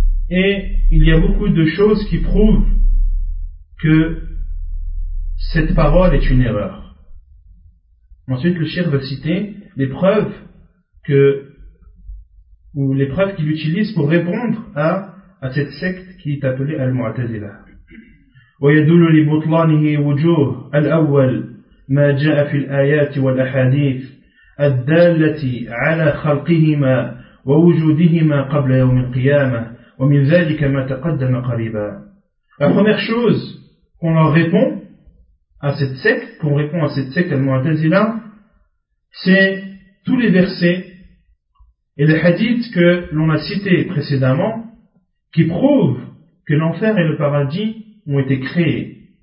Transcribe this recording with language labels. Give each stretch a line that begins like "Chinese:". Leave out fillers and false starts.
French: Et il y a beaucoup de choses qui prouvent que cette parole est une erreur. Ensuite, le Cheikh va citer les preuves que, ou les preuves qu'il utilise pour répondre à cette secte qui est appelée Al-Mu'tazila.
Arabic: ويدل لبطلانه وجوه الأول ما جاء في الآيات والأحاديث الدالة على خلقهما ووجودهما قبل يوم القيامة ومن ذلك ما تقدم قريبا.
French: La première chose qu'on leur répond à cette secte, qu'on répond à cette secte Al-Mu'tazila, c'est tous les versets et les hadiths que l'on a cités précédemment qui prouvent que l'enfer et le paradis ont été créés.